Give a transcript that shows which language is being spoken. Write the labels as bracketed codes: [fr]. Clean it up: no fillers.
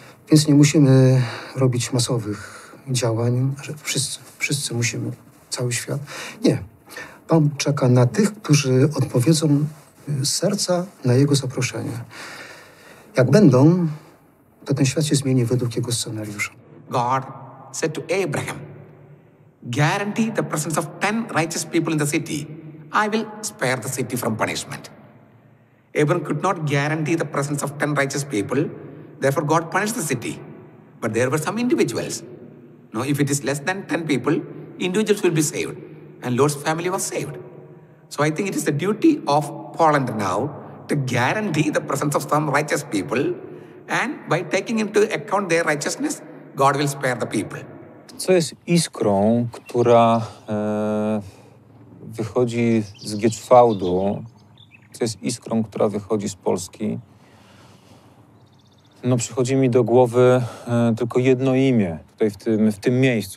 [pl] Więc nie musimy robić masowych działań, że wszyscy musimy... cały świat. Nie. Pan czeka na tych, którzy odpowiedzą z serca na jego zaproszenie. Jak będą, to ten świat się zmieni według jego scenariusza. [en] God said to Abraham, guarantee the presence of 10 righteous people in the city. I will spare the city from punishment. Abraham could not guarantee the presence of 10 righteous people. Therefore, God punished the city. But there were some individuals. No, if it is less than 10 people, individuals will be saved, and Lord's family was saved. So I think it is the duty of Poland now to guarantee the presence of some righteous people, and by taking into account their righteousness, God will spare the people. [pl] Co jest iskrą, która wychodzi z Gietrwałdu, co jest iskrą, która wychodzi z Polski? No, przychodzi mi do głowy tylko jedno imię tutaj w tym miejscu.